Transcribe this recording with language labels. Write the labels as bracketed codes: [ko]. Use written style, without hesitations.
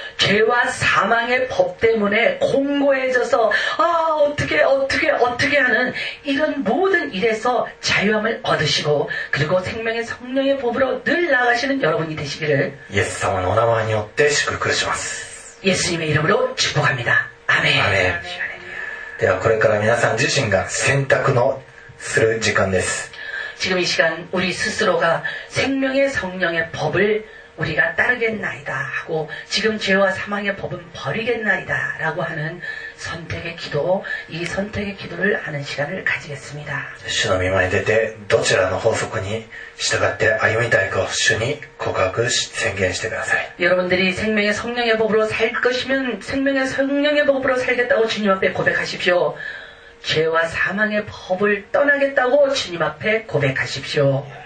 [ko] 죄와사망의법때문에공고해져서아어떻게어떻게어떻게하는이런모든일에서자유함을얻으시고그리고생명의성령의법으로늘나가시는여러분이되시기를 [ja] 예수様のお名前によって祝福します。 [ko] 예수님의이름으로축복합니다。 아멘。 아멘。 [ja] ではこれから皆さん自身が選択のする時間です。 [ko] 지금이시간우리스스로가생명의성령의법을 우리가따르겠나이다하고지금죄와사망의법은버리겠나이다라고하는선택의기도이선택의기도를하는시간을가지겠습니다 [ja] 主の御前に出てどちらの法則に従って歩みたいかを主に告白し宣言してください [ko] 여러분들이생명의성령의법으로살것이면생명의성령의법으로살겠다고주님앞에고백하십시오죄와사망의법을떠나겠다고주님앞에고백하십시오죄